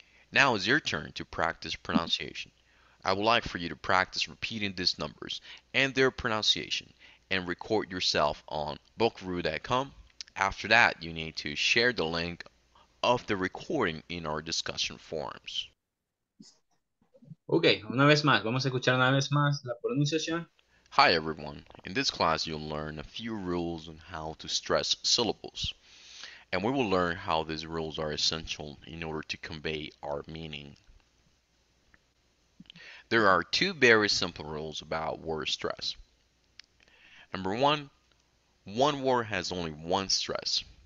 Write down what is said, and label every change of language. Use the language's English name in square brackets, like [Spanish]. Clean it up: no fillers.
[English] Now it's your turn to practice pronunciation. I would like for you to practice repeating these numbers and their pronunciation and record yourself on bookru.com After that, you need to share the link of the recording in our discussion forums. [Spanish] Okay, una vez más, vamos a escuchar una vez más la pronunciación. [English] Hi everyone, in this class you'll learn a few rules on how to stress syllables. And we will learn how these rules are essential in order to convey our meaning. There are two very simple rules about word stress. Number one, one word has only one stress.